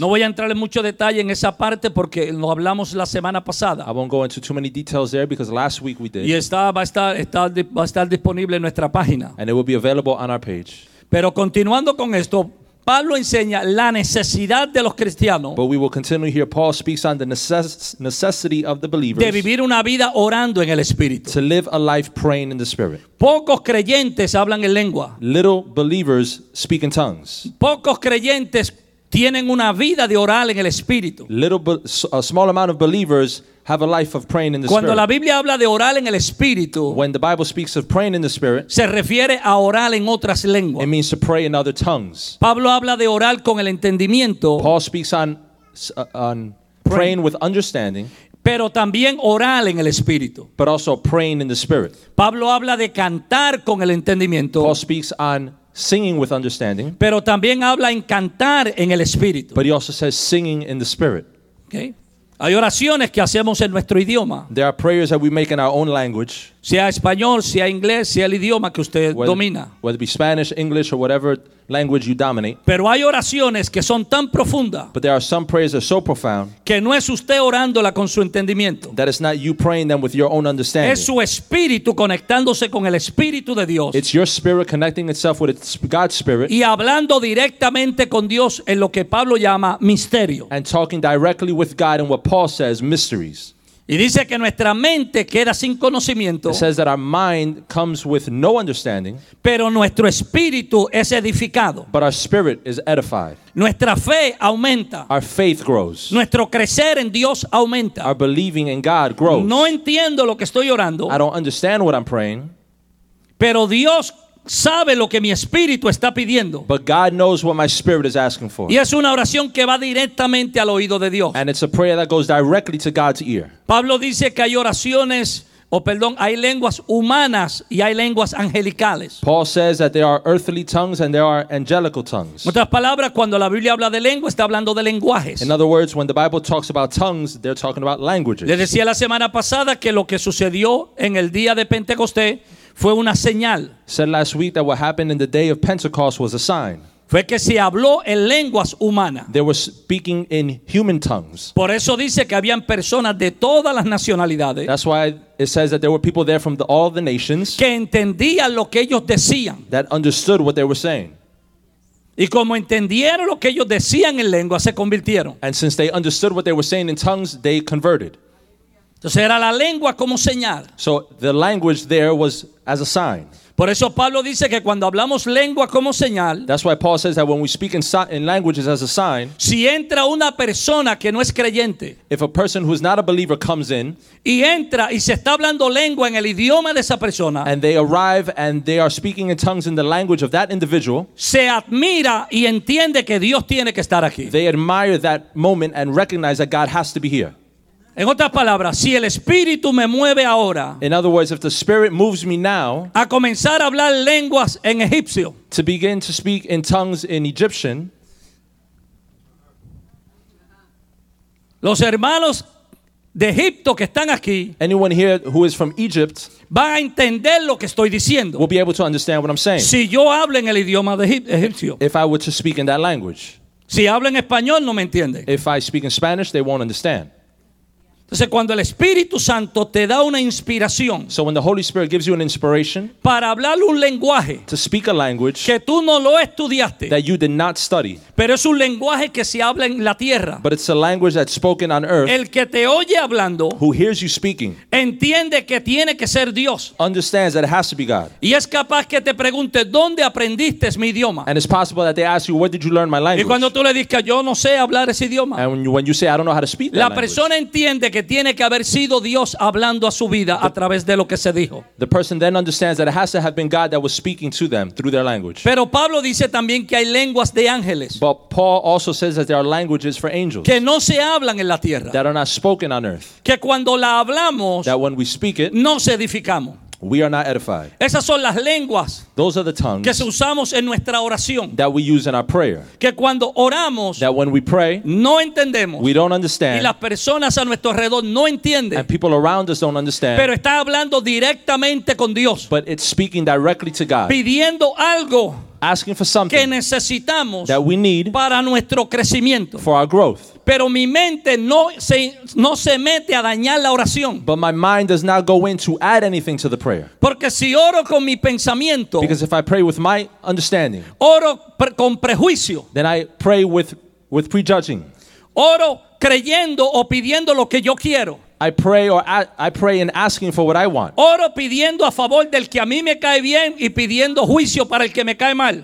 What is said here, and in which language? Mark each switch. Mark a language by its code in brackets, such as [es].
[es] No voy a entrar en mucho detalle en esa parte porque lo hablamos la semana pasada. [en] I won't go into too many details there because last week we did. [es] Y va a estar disponible en nuestra página. [en] And it will be available on our page. [es] Pero continuando con esto, Pablo enseña la necesidad de los cristianos. [en] But we will continue here. Paul speaks on the necessity of the believers. [es] De vivir una vida orando en el Espíritu. [en] To live a life praying in the Spirit. [es] Pocos creyentes hablan en lengua. [en] Little believers speak in tongues. [es] Pocos creyentes tienen una vida de orar en el Espíritu. [en] A small amount of believers have a life of praying in the [es] Cuando [en] Spirit. [es] La Biblia habla de orar en el Espíritu, [en] when the Bible speaks of praying in the Spirit, [es] se refiere a orar en otras lenguas. [en] It means to pray in other tongues. [es] Pablo habla de orar con el entendimiento. [en] Paul speaks on praying with understanding. [es] Pero también orar en el Espíritu. [en] But also praying in the Spirit. [es] Pablo habla de cantar con el entendimiento. [en] Paul speaks on singing with understanding. [es] Pero también habla en cantar en el Espíritu. [en] But he also says singing in the Spirit. [es] Okay. Hay oraciones que hacemos en nuestro idioma. [en] There are prayers that we make in our own language. [es] Sea español, sea inglés, sea el idioma que usted domina. [en] Whether it be Spanish, English, or whatever language you dominate. [es] Pero hay oraciones que son tan profundas. [en] But there are some prayers that are so profound. [es] Que no es usted orándola con su entendimiento. [en] That it's not you praying them with your own understanding. [es] Es su espíritu conectándose con el espíritu de Dios. [en] It's your spirit connecting itself with God's spirit. [es] Y hablando directamente con Dios en lo que Pablo llama misterio. [en] And talking directly with God in what Paul says, mysteries. [es] Y dice que nuestra mente queda sin conocimiento. [en] It says that our mind comes with no understanding. [es] Pero nuestro espíritu es edificado. [en] But our spirit is edified. [es] Nuestra fe aumenta. [en] Our faith grows. [es] Nuestro crecer en Dios aumenta. [en] Our believing in God grows. [es] No entiendo lo que estoy orando. [en] I don't understand what I'm praying. [es] Pero Dios sabe lo que mi espíritu está pidiendo. [en] But God knows what my spirit is asking for. [es] Y es una oración que va directamente al oído de Dios. [en] And it's a prayer that goes directly to God's ear. [es] Pablo dice que hay oraciones, hay lenguas humanas y hay lenguas angelicales. [en] Paul says that there are earthly tongues and there are angelical tongues. [es] En otras palabras, cuando la Biblia habla de lengua, está hablando de lenguajes. [en] In other words, when the Bible talks about tongues, they're talking about languages. [es] Le decía la semana pasada que lo que sucedió en el día de Pentecostés fue una señal. [en] Said last week that what happened in the day of Pentecost was a sign. [es] Fue que se habló en lenguas humanas. [en] They were speaking in human tongues. [es] Por eso dice que habían personas de todas las nacionalidades. [en] That's why it says that there were people there from all the nations. [es] Que entendían lo que ellos decían. [en] That understood what they were saying. [es] Y como entendieron lo que ellos decían en lengua, se convirtieron. [en] And since they understood what they were saying in tongues, they converted. [es] Entonces era la lengua como señal. [en] So the language there was as a sign. [es] Por eso Pablo dice que cuando hablamos lengua como señal, [en] that's why Paul says that when we speak in languages as a sign, [es] si entra una persona que no es creyente, [en] if a person who is not a believer comes in, [es] y entra y se está hablando lengua en el idioma de esa persona, [en] and they arrive and they are speaking in tongues in the language of that individual, [es] se admira y entiende que Dios tiene que estar aquí. [en] They admire that moment and recognize that God has to be here. [es] En otras palabras, si el Espíritu me mueve ahora, [en] in other words, if the Spirit moves me now, [es] a comenzar a hablar lenguas en egipcio, [en] to begin to speak in tongues in Egyptian, [es] los hermanos de Egipto que están aquí, [en] anyone here who is from Egypt, [es] van a entender lo que estoy diciendo, [en] will be able to understand what I'm saying, [es] si yo hablo en el idioma de egipcio, [en] if I were to speak in that language, [es] si hablo en español no me entienden, [en] if I speak in Spanish they won't understand. [es] Entonces cuando el Espíritu Santo te da una inspiración, [en] so when the Holy Spirit gives you an inspiration, [es] para hablar un lenguaje, [en] to speak a language, [es] que tú no lo estudiaste, [en] that you did not study, [es] pero es un lenguaje que se habla en la tierra, [en] but it's a language that's spoken on earth, [es] el que te oye hablando, [en] who hears you speaking, [es] entiende que tiene que ser Dios, [en] understands that it has to be God, [es] y es capaz que te pregunte dónde aprendiste mi idioma, [en] and it's possible that they ask you where did you learn my language, [es] y cuando tú le dices yo no sé hablar ese idioma, [en] and when you say I don't know how to speak that [es] language, la persona entiende que tiene que haber sido Dios hablando a su vida a través de lo que se dijo. [en] The person then understands that it has to have been God that was speaking to them through their language. [es] Pero Pablo dice también que hay lenguas de ángeles. [en] But Paul also says that there are languages for angels. [es] Que no se hablan en la tierra. [en] That are not spoken on earth. [es] Que cuando la hablamos, [en] that when we speak it, [es] nos edificamos. [en] We are not edified. [es] Esas son las lenguas. [en] Those are the tongues [es] que se usamos en nuestra oración. [en] That we use in our prayer. [es] Que cuando oramos, [en] that when we pray, [es] no entendemos. [en] We don't understand. [es] Y las personas a nuestro alrededor no entienden. [en] And people around us don't understand. [es] Pero está hablando directamente con Dios. [en] But it's speaking directly to God. [es] Pidiendo algo. [en] Asking for something [es] que necesitamos [en] that we need [es] para nuestro crecimiento. [en] For our growth. [es] Pero mi mente no se mete a dañar la oración. [en] But my mind does not go in to add anything to the prayer. [es] Porque si oro con mi pensamiento, [en] because if I pray with my understanding, [es] oro con prejuicio, [en] then I pray with prejudging. [es] Oro creyendo o pidiendo lo que yo quiero. [en] I pray in asking for what I want. [es] Oro pidiendo a favor del que a mí me cae bien y pidiendo juicio para el que me cae mal.